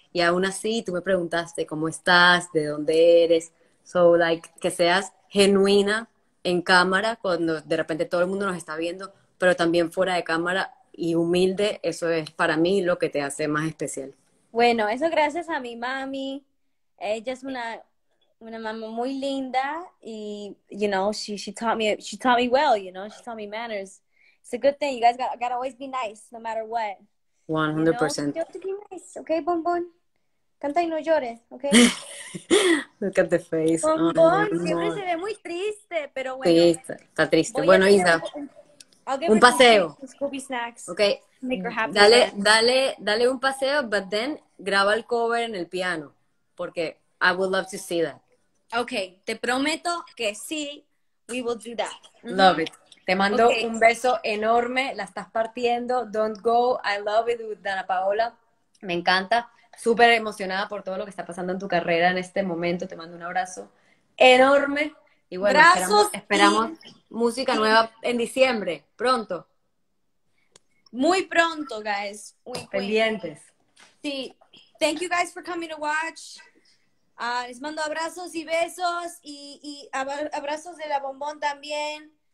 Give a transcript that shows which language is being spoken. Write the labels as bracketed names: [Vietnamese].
[Spanish] Y aún así, tú me preguntaste cómo estás, de dónde eres. [English] So, like, [Spanish] que seas genuina en cámara cuando de repente todo el mundo nos está viendo, pero también fuera de cámara y humilde. Eso es para mí lo que te hace más especial. Bueno, eso gracias a mi mami. Ella es una mamá muy linda y, [English] you know, she taught me well, you know, she taught me manners. It's a good thing. You guys gotta always be nice, no matter what. 100%. You know, you have to be nice, okay, Bombón? [Spanish] Canta y no llores, okay? [English] Look at the face. [Spanish] Bombón, oh, siempre se ve muy triste, pero bueno. Sí, está triste. Bueno, Isa, un paseo. [English] Scooby snacks. Okay. Make her happy. [Spanish] Dale, dale, dale un paseo, [English] but then [Spanish] graba el cover en el piano, porque [English] I would love to see that. Okay, [Spanish] te prometo que sí, [English] we will do that. [Spanish] Love it. Te mando un beso enorme, la estás partiendo, [English] don't go, I love it [Spanish] with Dana Paola, me encanta, súper emocionada por todo lo que está pasando en tu carrera en este momento, te mando un abrazo enorme, y bueno, esperamos música nueva en diciembre, pronto. Muy pronto, guys. Pendientes. Sí, [English] thank you guys for coming to watch. [Spanish] Les mando abrazos y besos, y abrazos de la Bombón también.